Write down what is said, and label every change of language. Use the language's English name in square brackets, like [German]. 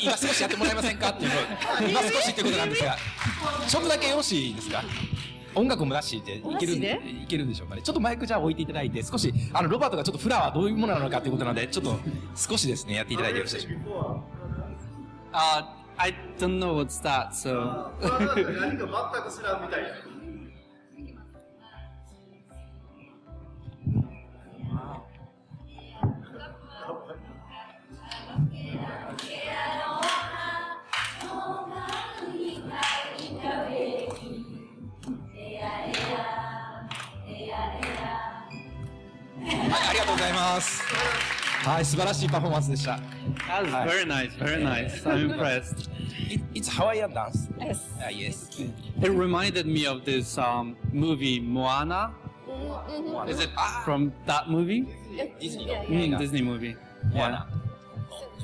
[Japanese] 今少しやってもらえませんかっていう。今少しってことなんですが。ちょっとだけよしですか音楽も出していけるんでしょうかね。ちょっとマイクじゃあ置いていただいて、少し、ロバートがちょっとフラワーどういうものなのかっていうことなので、ちょっと少しですね、やっていただいてよろしいでしょうか。 [English] I don't know what's that, so. [Japanese] 何か全く知らんみたいな。はい、ありがとうございます。はい、素晴らしいパフォーマンスでした。 [English] That was very nice, very nice. I'm impressed. It's Hawaiian dance. Yes. Yes. It reminded me of this movie Moana. Is it from that movie? Disney. Disney movie. Moana. Yeah.